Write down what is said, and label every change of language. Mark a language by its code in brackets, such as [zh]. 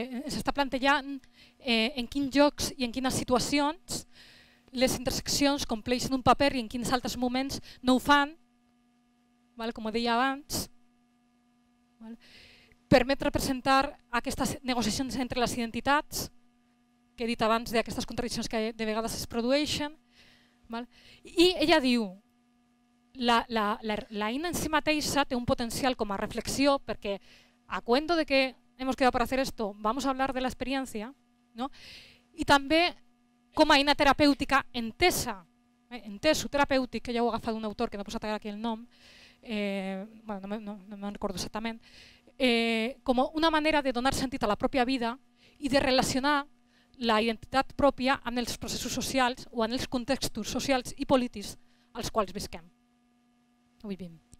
[ca] S'està plantejant en quins llocs i en quines situacions les interseccions compleixen un paper i en quins altres moments no ho fan, ¿vale? Com deia abans. ¿Vale? Permet representar aquestes negociacions entre les identitats, que he dit abans d'aquestes contradiccions que de vegades es produeixen, ¿vale? I ella diu, la eina en si mateixa té un potencial com a reflexió, perquè [es] a cuento de que hemos quedado para hacer esto, vamos a hablar de la experiencia, [ca] ¿no? I també com a eina terapèutica entesa, entesa, terapèutic, que ja ho ha agafat un autor que no posa aquí el nom, bueno, no me recordo exactament, com una manera de donar sentit a la pròpia vida i de relacionar la identitat pròpia en els processos socials o en els contextos socials i polítics als quals visquem. Vivim.